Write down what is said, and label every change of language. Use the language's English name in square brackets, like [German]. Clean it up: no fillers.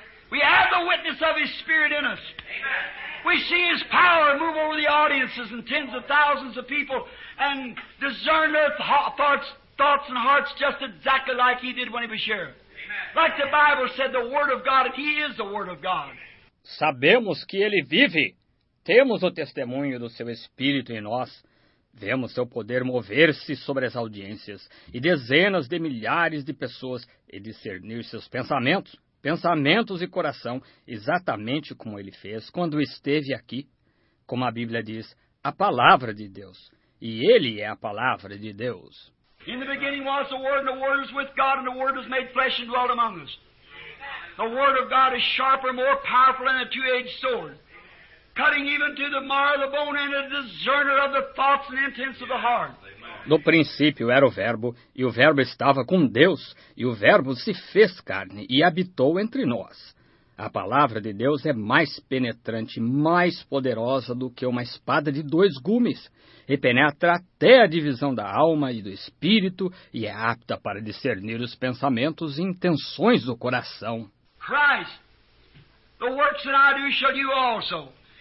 [English] We have the witness of his spirit in us. We see his power move over the audiences and tens of thousands of people and discern their thoughts and hearts just exactly like he did when he was here. Like the Bible said, the word of God, he is the word of God. [Portuguese] Sabemos que ele vive. Temos o testemunho do seu espírito em nós. Vemos seu poder mover-se sobre as audiências e dezenas de milhares de pessoas e discernir seus pensamentos. Pensamentos e coração, exatamente como ele fez quando esteve aqui. Como a Bíblia diz, a palavra de Deus. E ele é a palavra de Deus. [English] In the beginning was the Word, and the Word was with God, and the Word was made flesh and dwelt among us. The Word of God is sharper, more powerful than a two-edged sword, cutting even to the marrow of the bone and a discerner of the thoughts and intents of the heart. [Portuguese] No princípio era o Verbo, e o Verbo estava com Deus, e o Verbo se fez carne e habitou entre nós. A palavra de Deus é mais penetrante, mais poderosa do que uma espada de dois gumes, e penetra até a divisão da alma e do espírito, e é apta para discernir os pensamentos e intenções do coração. [English] Christ, the works that I do shall you also.